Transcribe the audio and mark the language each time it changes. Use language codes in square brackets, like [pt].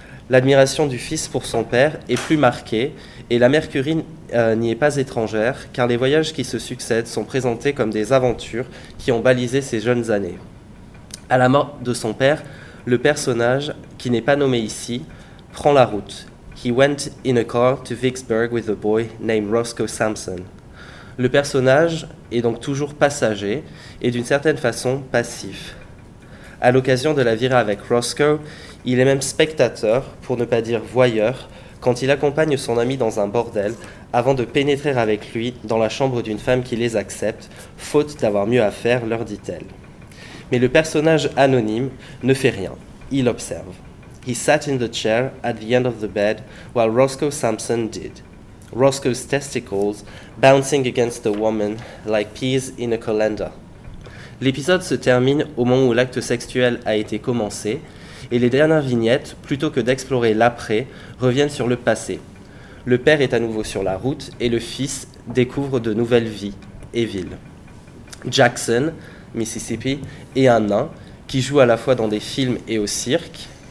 [fr] L'admiration du fils pour son père est plus marquée et la Mercury n'y est pas étrangère car les voyages qui se succèdent sont présentés comme des aventures qui ont balisé ses jeunes années. À la mort de son père, le personnage, qui n'est pas nommé ici, prend la route. [en] He went in a car to Vicksburg with a boy named Roscoe Sampson. [fr] Le personnage est donc toujours passager et d'une certaine façon passif. À l'occasion de la virée avec Roscoe, il est même spectateur, pour ne pas dire voyeur, quand il accompagne son ami dans un bordel avant de pénétrer avec lui dans la chambre d'une femme qui les accepte, faute d'avoir mieux à faire, leur dit-elle. Mais le personnage anonyme ne fait rien, il observe. [en] He sat in the chair at the end of the bed while Roscoe Sampson did. Roscoe's testicles bouncing against the woman like peas in a colander. [fr] L'épisode se termine au moment où l'acte sexuel a été commencé, et les dernières vignettes, plutôt que d'explorer l'après, reviennent sur le passé. Le père est à nouveau sur la route et le fils découvre de nouvelles vies et villes. Jackson, Mississippi, est un nain qui joue à la fois dans des films et au cirque.